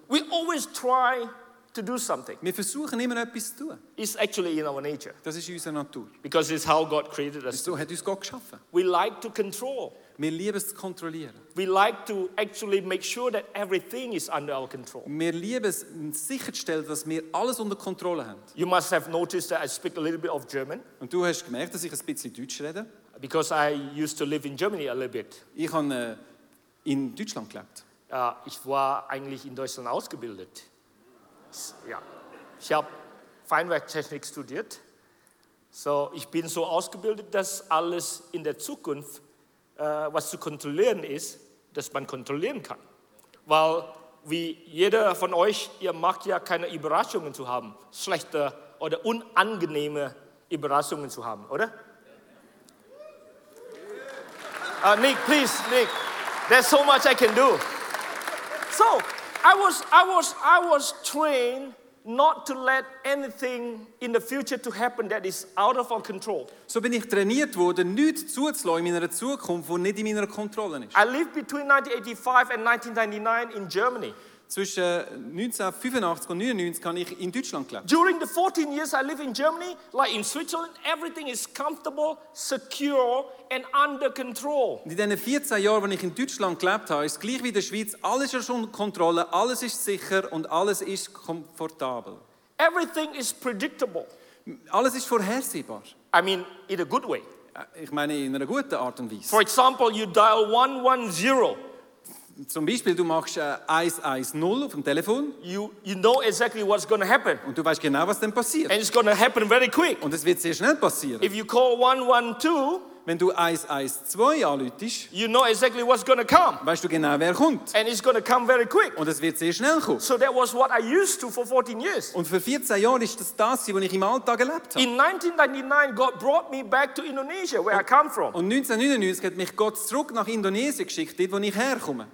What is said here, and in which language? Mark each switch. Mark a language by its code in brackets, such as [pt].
[en] We always try to do something. [de] Wir versuchen immer etwas zu tun. [en] It's actually in our nature. [de] Das ist unsere Natur. [en] Because it's how God created us. [de] So hat uns Gott geschaffen. [en] We like to control. [de] Wir lieben es zu kontrollieren. [en] We like to actually make sure that everything is under our control. [de] Wir lieben es sicherzustellen, dass wir alles unter Kontrolle haben. [en] You must have noticed that I speak a little bit of German. [de] Und du hast gemerkt, dass ich ein bisschen Deutsch rede. [en] Because I used to live in Germany a little bit. [de] Ich habe in Deutschland gelebt. Ich war eigentlich in Deutschland ausgebildet. Ja. Ich habe Feinwerktechnik studiert. So, ich bin so ausgebildet, dass alles in der Zukunft, was zu kontrollieren ist, dass man kontrollieren kann. Weil, wie jeder von euch, ihr mag ja keine Überraschungen zu haben, schlechte oder unangenehme Überraschungen zu haben, oder? [en] Nick, please, Nick. There's so much I can do. So, I was trained not to let anything in the future to happen that is out of our control. [de] So bin ich trainiert worden, nichts zuzulassen in meiner Zukunft, wo nicht in meiner Kontrolle ist. [en] I lived between 1985 and 1999 in Germany. [de] Zwischen 1985 und 99 habe ich in Deutschland gelebt. [en] During the 14 years I live in Germany, like in Switzerland, everything is comfortable, secure and under control. [de] In den 14 Jahren, die ich in Deutschland gelebt habe, ist gleich wie in der Schweiz, alles ist unter Kontrolle, alles ist sicher und alles ist komfortabel. [en] Everything is predictable. [de] Alles ist vorhersehbar. [en] I mean, in a good way. [de] Ich meine in einer guten Art und Weise. [en] For example, you dial 110. [de] Zum Beispiel, du machst 110 auf dem Telefon. [en] You know exactly what's going to happen. [de] Und du weißt genau, was dann passiert. [en] And it's going to happen very quick. [de] Und es wird sehr schnell passieren. [en] If you call 112, [de] wenn du 112 anrufst, [en] you know exactly what's going to come. [de] Weißt du genau, wer kommt. [en] And it's going to come very quick. [de] Und es wird sehr schnell kommen. [en] So that was what I used to for 14 years. [de] Und für 14 Jahre ist das, was ich im Alltag erlebt habe. [en] In 1999, God brought me back to Indonesia, where I come from. [de] Und 1999 hat mich Gott zurück nach Indonesien geschickt, dort, wo ich herkomme.